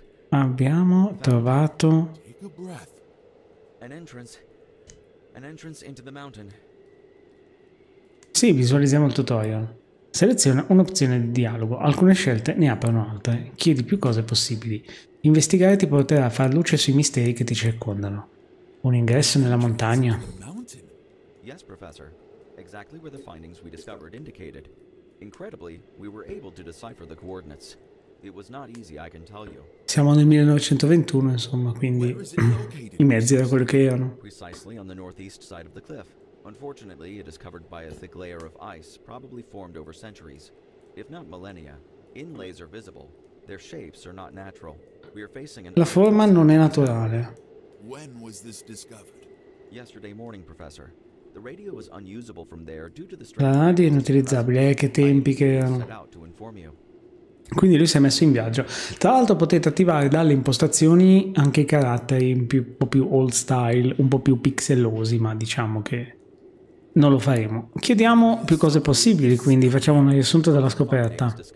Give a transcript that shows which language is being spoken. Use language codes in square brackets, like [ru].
[it] Abbiamo trovato un'entrata [en] into the mountain. [it] Sì, visualizziamo il tutorial. Seleziona un'opzione di dialogo. Alcune scelte ne aprono altre. Chiedi più cose possibili. Investigare ti porterà a far luce sui misteri che ti circondano. Un ingresso nella montagna? [en] Yes, professor. Exactly where the findings we discovered indicated. Incredibly, we were able to decipher the coordinates. It was not easy, I can tell you. [it] Siamo nel 1921, insomma, quindi i mezzi erano quelli che erano. [en] Precisely on the northeast side of the cliff. Unfortunately, it is covered by a thick layer of ice, probably formed over centuries, if not millennia. Inlays are visible. Their shapes are not natural. We are facing an... [it] La forma non è naturale. [en] When was this discovered? Yesterday morning, professor. The radio was unusable from there due to the... [it] La radio è inutilizzabile, che tempi che erano. Quindi lui si è messo in viaggio. Tra l'altro potete attivare dalle impostazioni anche i caratteri un po' più old style, un po' più pixelosi, ma diciamo che non lo faremo. Chiediamo più cose possibili, quindi facciamo un riassunto della scoperta.